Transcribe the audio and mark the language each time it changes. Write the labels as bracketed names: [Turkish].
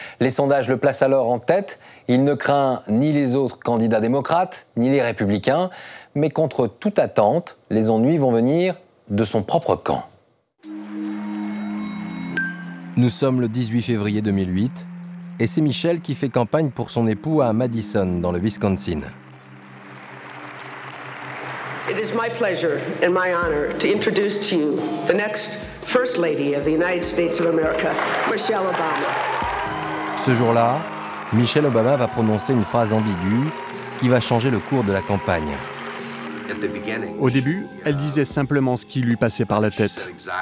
[French] Les sondages le placent alors en tête, il ne craint ni les autres candidats démocrates, ni les républicains, mais contre toute attente, les ennuis vont venir de son propre camp. Nous sommes le 18 février 2008, et c'est Michel qui fait campagne pour son époux à Madison, dans le Wisconsin. [English] It is my pleasure and my honor to introduce to you the next First Lady of the United States of America, Michelle Obama. [French] Ce jour-là, Michelle Obama va prononcer une phrase ambiguë qui va changer le cours de la campagne. Au début, elle disait simplement ce qui lui passait par la tête.